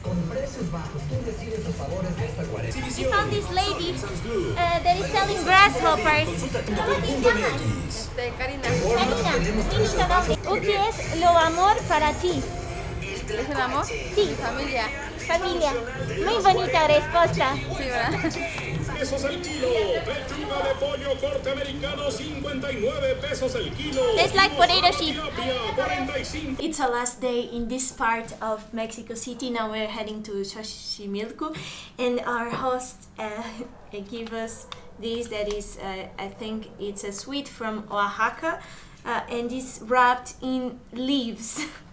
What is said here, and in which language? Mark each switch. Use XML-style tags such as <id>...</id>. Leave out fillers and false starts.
<es>Con precios bajos, tú recibes los favores de esta cuarentena.</es> <en>We found this lady that is selling grasshoppers.</en> <es>¿Cómo te llamas? Karina. Karina, dinos a dónde. ¿O qué es lo amor para ti? ¿Es el amor? Sí. Familia. Familia. Muy bonita respuesta. Sí, ¿verdad? Pesos el kilo, pechuga de pollo corte americano, 59 pesos el kilo.</es> <en>It's like potato chip. It's our last day in this part of Mexico City. Now we're heading to Xochimilco, and our host gave us this. That is, I think it's a sweet from Oaxaca, and it's wrapped in leaves.</en>